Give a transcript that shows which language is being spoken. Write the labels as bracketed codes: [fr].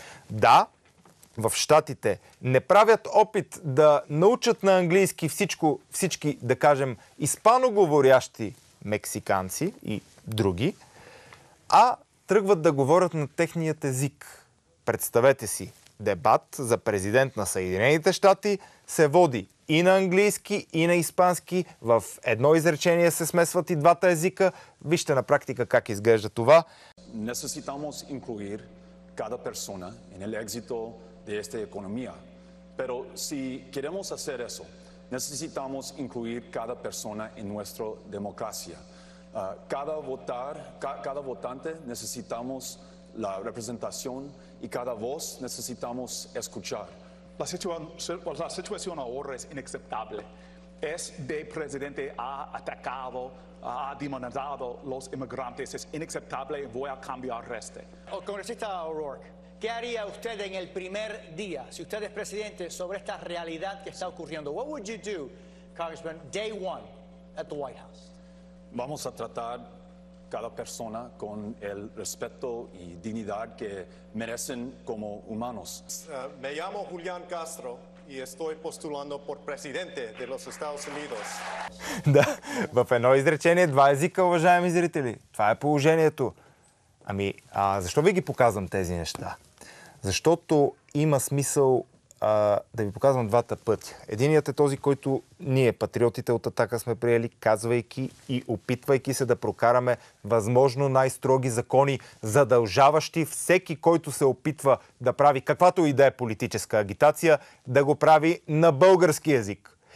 [bg] Да, в щатите не правят опит да научат на английски всички, да кажем, испаноговорящи мексиканци и други, а тръгват да говорят на техният език. Представете си, дебат за президент на Съединените щати се води и на английски, и на испански. В едно изречение се смесват и двата езика. Вижте на практика как изглежда това. [es] Necesitamos incluir cada persona en el éxito de esta economía. Pero si queremos hacer eso, necesitamos incluir cada persona en nuestra democracia. Cada votante necesitamos la representación y cada voz necesitamos escuchar. La situación ahora es inaceptable. Este presidente ha atacado, ha demonizado los inmigrantes. Es inaceptable. Voy a cambiar este. Congresista O'Rourke, ¿qué haría usted en el primer día, si usted es presidente, sobre esta realidad que está ocurriendo? [en] What would you do, Congressman, day one at the White House? [es] Vamos a tratar cada persona con el respeto y dignidad que merecen como humanos. Me llamo Julián Castro y estoy postulando por presidente de los Estados Unidos. [bg] Да, в едно изречение два езика, уважаеми зрители. Това е положението. Ами, защо ви ги показвам тези неща? Защото има смисъл да ви показвам двата пътя. Единият е този, който ние, патриотите от Атака, сме приели, казвайки и опитвайки се да прокараме възможно най-строги закони, задължаващи всеки, който се опитва да прави каквато и да е политическа агитация, да го прави на български език.